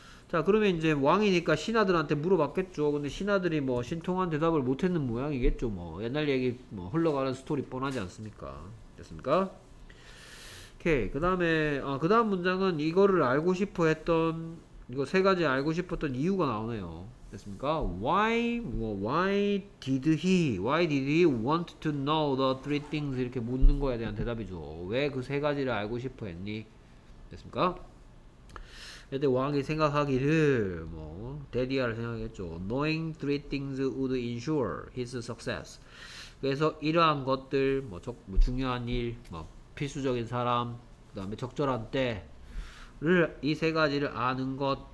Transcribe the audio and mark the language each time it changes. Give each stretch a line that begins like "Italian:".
Korean: 자, 그러면 이제 왕이니까 신하들한테 물어봤겠죠. 근데 신하들이 뭐 신통한 대답을 못했는 모양이겠죠. 뭐 옛날 얘기 뭐 흘러가는 스토리 뻔하지 않습니까? 됐습니까? 오케이. 그 다음에, 그 다음 문장은 이거를 알고 싶어 했던, 이거 세 가지 알고 싶었던 이유가 나오네요. 됐습니까?
English: Why did he, why did he want to know the three things?
Korean: 이렇게 묻는 거에 대한 대답이죠. 왜그세 가지를 알고 싶어 했니? 됐습니까? 그때 왕이 생각하기를 뭐 데디아를 생각했죠.
English: Knowing three things would ensure his success.
Korean: 그래서 이러한 것들 뭐, 뭐 중요한 일, 뭐 필수적인 사람, 그다음에 적절한 때를 이세 가지를 아는 것.